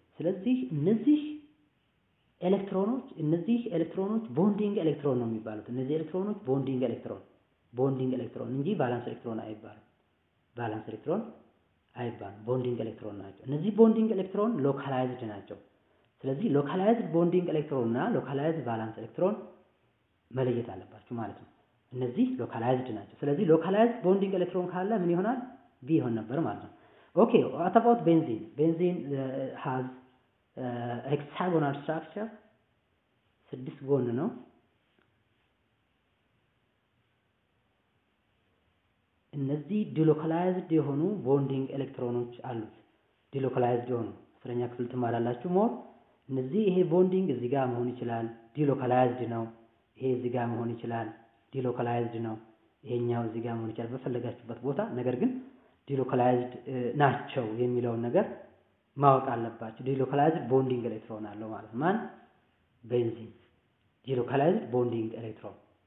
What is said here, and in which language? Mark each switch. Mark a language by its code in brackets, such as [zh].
[am] ስለዚህ እነዚህ ኤሌክትሮኖች ቦንዲንግ ኤሌክትሮን ነው የሚባሉት። እነዚህ ኤሌክትሮኖች ቦንዲንግ ኤሌክትሮን እንጂ ቫላንስ ኤሌክትሮን አይባልም። ቫላንስ ኤሌክትሮን አይባል ቦንዲንግ ኤሌክትሮን ናቸው። እነዚህ ቦንዲንግ ኤሌክትሮን ሎካላይዝድ ናቸው። ስለዚህ ሎካላይዝድ ቦንዲንግ ኤሌክትሮንና ሎካላይዝድ ቫላንስ ኤሌክትሮን መለየት አለባችሁ ማለት ነው። እነዚህ ሎካላይዝድ ናቸው። ስለዚህ ሎካላይዝድ ቦንዲንግ ኤሌክትሮን ካለ ምን ይሆናል? ቪ ይሆን ነበር ማለት ነው። ኦኬ [en] what about benzene? Benzene has hexagonal structure. [am] ስድስት ጎን ነው። እነዚህ ዲሎካላይዝድ የሆኑ ቦንዲንግ ኤሌክትሮኖች አሉት። ዲሎካላይዝድ የሆኑ ፍረኛ ክፍል ተማራላችሁ ሞር እነዚህ ይሄ ቦንዲንግ እዚህ ጋር መሆን ይችላል ዲሎካላይዝድ ነው። ይሄ እዚህ ጋር መሆን ይችላል ዲሎካላይዝድ ነው። ይሄኛው እዚህ ጋር መሆን ይችላል በፈለጋችሁበት ቦታ። ነገር ግን ዲሎካላይዝድ ናቸው የሚለውን ነገር ማወቅ አለባችሁ። ዲሎካላይዝድ ቦንዲንግ ኤሌክትሮን አለው ማለት ማን ቤንዚን ዲሎካላይዝድ ቦንዲንግ ኤሌክትሮን